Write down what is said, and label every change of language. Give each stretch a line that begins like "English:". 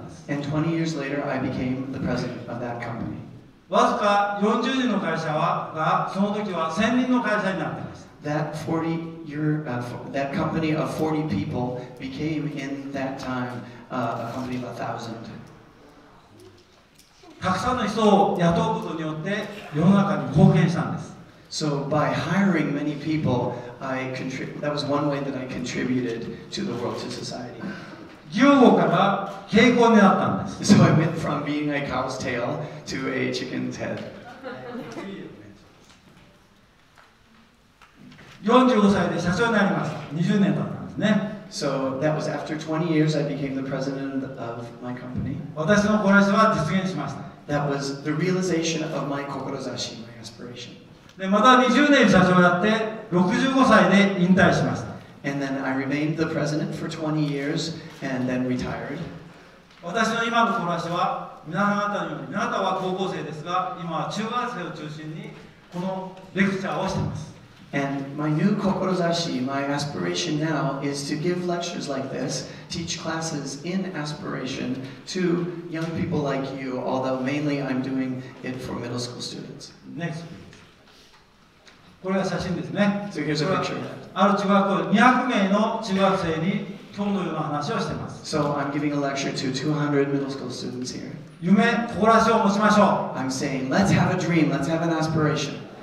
English: And 20 years later, I became the president of that company.
Japanese: わずか40人の会社はがその時は1000人の会社になっていました。
English: That 40 year, that company of 40 people became in that time a company of 1,000.
Japanese: たくさんの人を雇うことによって世の中に貢献したんです。
English: So by hiring many people, that was one way that I contributed to the world, to society.
Japanese: 牛語から蛍光になったんです。
English: So I went from being a cow's tail to a chicken's head.
Japanese: 45歳で社長になりました。 20年経ったんですね。
English: So that was after 20 years I became the president of my company.
Japanese: 私の志は実現しました。
English: That was the realization of my 志, my aspiration.
Japanese: で、また20年社長をやって、65歳で引退しました。
English: And then I remained the president for 20 years and then retired.
Japanese: 私の今の志は、皆さん方のように、皆さんは高校生ですが、今は中学生を中心にこのレクチャーをしています。
English: And my new kokorozashi, my aspiration now, is to give lectures like this, teach classes in aspiration to young people like you, although mainly I'm doing it for middle school students. Next.
Japanese: これは写真ですね。
English: So here's a picture.
Japanese: ある中学校で200名の中学生に今日のような話をしています。
English: So I'm giving a lecture to 200 middle school students here.
Japanese: 夢、志を持ちましょう。
English: I'm saying, let's have a dream, let's have an aspiration.